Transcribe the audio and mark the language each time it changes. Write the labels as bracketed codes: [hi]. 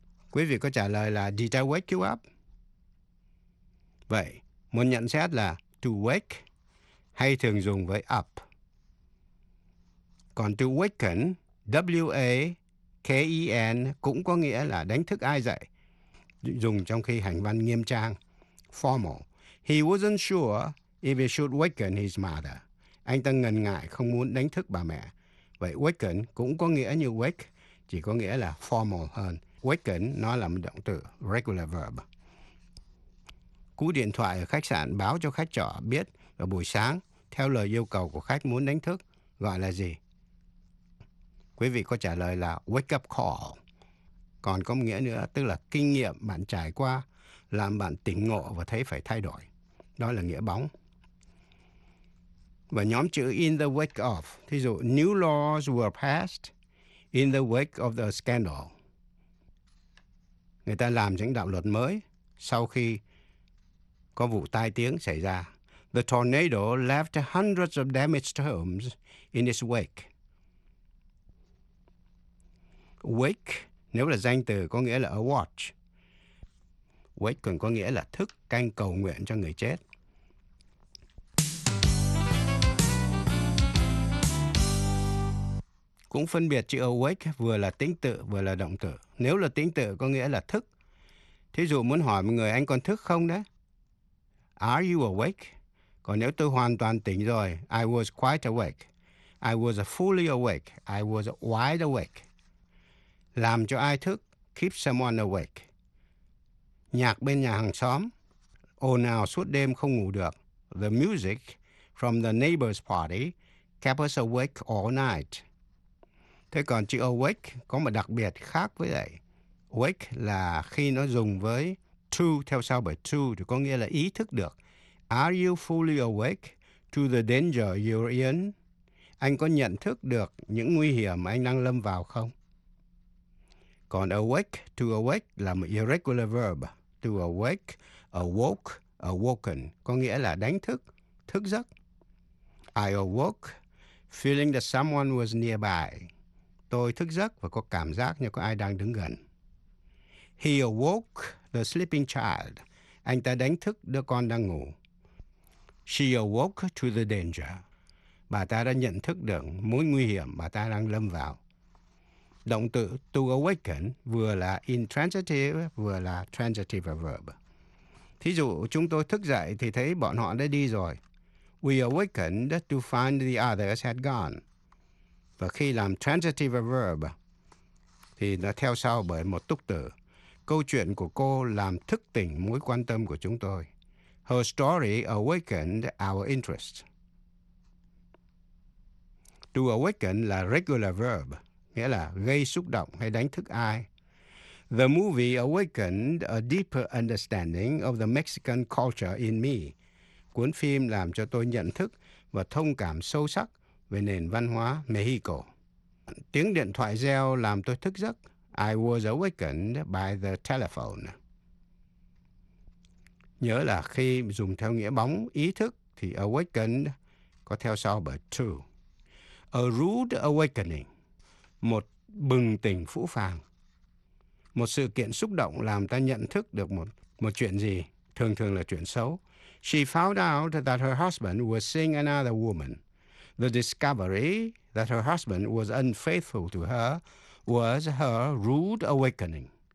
[vi] Quý vị có trả lời là, [en] did I wake you up? [vi] Vậy, một nhận xét là, to wake, hay thường dùng với up. Còn to waken, W-A-K-E-N, cũng có nghĩa là đánh thức ai dậy. Dùng trong khi hành văn nghiêm trang, formal. [en] He wasn't sure if he should waken his mother. [vi] Anh ta ngần ngại không muốn đánh thức bà mẹ. Vậy waken cũng có nghĩa như wake, chỉ có nghĩa là formal hơn. Waken nó là một động từ, regular verb. Cú điện thoại ở khách sạn báo cho khách trọ biết vào buổi sáng, theo lời yêu cầu của khách muốn đánh thức, gọi là gì? Quý vị có trả lời là wake up call. Còn có nghĩa nữa, tức là kinh nghiệm bạn trải qua làm bạn tỉnh ngộ và thấy phải thay đổi. Đó là nghĩa bóng. Và nhóm chữ in the wake of, thí dụ [en] new laws were passed in the wake of the scandal. [vi] Người ta làm những đạo luật mới sau khi có vụ tai tiếng xảy ra. [en] The tornado left hundreds of damaged homes in its wake. [vi] Wake, nếu là danh từ có nghĩa là a watch. Wake còn có nghĩa là thức canh cầu nguyện cho người chết. Cũng phân biệt chữ awake vừa là tính tự vừa là động từ. Nếu là tính tự có nghĩa là thức. Thí dụ muốn hỏi một người anh còn thức không đấy? [en] Are you awake? [vi] Còn nếu tôi hoàn toàn tỉnh rồi, [en] I was quite awake. I was fully awake. I was wide awake. [vi] Làm cho ai thức, [en] keep someone awake. [vi] Nhạc bên nhà hàng xóm, ồn ào suốt đêm không ngủ được. [en] The music from the neighbor's party kept us awake all night. [vi] Thế còn chữ awake có một đặc biệt khác với vậy. Wake là khi nó dùng với to, theo sau bởi to thì có nghĩa là ý thức được. [en] Are you fully awake to the danger you're in? [vi] Anh có nhận thức được những nguy hiểm mà anh đang lâm vào không? Còn awake, to awake là một irregular verb. To awake, awoke, awoken có nghĩa là đánh thức, thức giấc. [en] I awoke feeling that someone was nearby. [vi] Tôi thức giấc và có cảm giác như có ai đang đứng gần. [en] He awoke the sleeping child. [vi] Anh ta đánh thức đứa con đang ngủ. [en] She awoke to the danger. [vi] Bà ta đã nhận thức được mối nguy hiểm bà ta đang lâm vào. Động từ to awaken vừa là intransitive vừa là transitive verb. Thí dụ chúng tôi thức dậy thì thấy bọn họ đã đi rồi. [en] We awakened to find the others had gone. [vi] Và khi làm transitive verb thì nó theo sau bởi một túc từ. Câu chuyện của cô làm thức tỉnh mối quan tâm của chúng tôi. [en] Her story awakened our interest. [vi] To awaken là regular verb, nghĩa là gây xúc động hay đánh thức ai. [en] The movie awakened a deeper understanding of the Mexican culture in me. [vi] Cuốn phim làm cho tôi nhận thức và thông cảm sâu sắc về nền văn hóa Mexico. Tiếng điện thoại reo làm tôi thức giấc. [en] I was awakened by the telephone. [vi] Nhớ là khi dùng theo nghĩa bóng ý thức thì awakened có theo sau bởi to. [en] A rude awakening, [vi] một bừng tỉnh phũ phàng. Một sự kiện xúc động làm ta nhận thức được một chuyện gì, thường thường là chuyện xấu. [en] She found out that her husband was seeing another woman. The discovery that her husband was unfaithful to her was her rude awakening.